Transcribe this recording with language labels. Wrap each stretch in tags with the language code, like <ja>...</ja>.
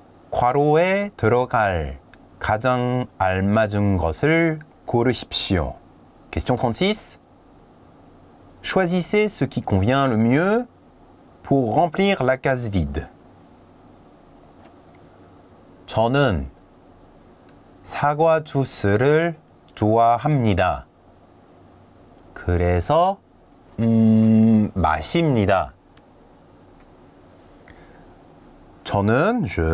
<ko>과로에 들어갈 가장 알맞은 것을 고르십시오.</ko> <fr>Question 36. Choisissez ce qui convient le mieux pour remplir la case vide.</fr> <ko>저는 사과 주스를 좋아합니다. 그래서 마십니다. 저는</ko>